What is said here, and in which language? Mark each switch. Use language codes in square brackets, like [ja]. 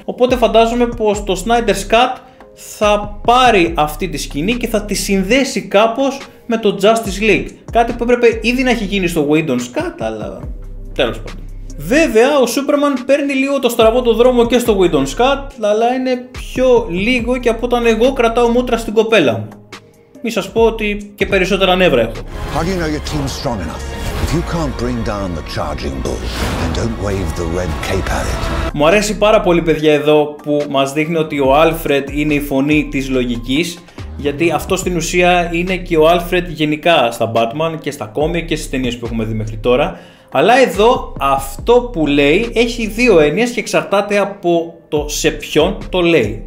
[el] Οπότε φαντάζομαι πως το Snyder's Cut θα πάρει αυτή τη σκηνή και θα τη συνδέσει κάπως με το Justice League. Κάτι που έπρεπε ήδη να έχει γίνει στο Whedon's Cut, αλλά τέλος πάντων. Βέβαια, ο Superman παίρνει λίγο το στραβό το δρόμο και στο Whedon's Cut, αλλά είναι πιο λίγο και από όταν εγώ κρατάω μούτρα στην κοπέλα μου. Μη σας πω ότι και περισσότερα νεύρα έχω. [en] How do you know your team's strong enough? If you can't bring down the charging bull, then don't wave the red cape at it. [el] Μου αρέσει πάρα πολύ, παιδιά, εδώ που μας δείχνει ότι ο Alfred είναι η φωνή της λογικής, γιατί αυτό στην ουσία είναι και ο Alfred γενικά στα Batman και στα κόμικ και στις ταινίες που έχουμε δει μέχρι τώρα. Αλλά εδώ αυτό που λέει έχει δύο έννοιες και εξαρτάται από το σε ποιον το λέει.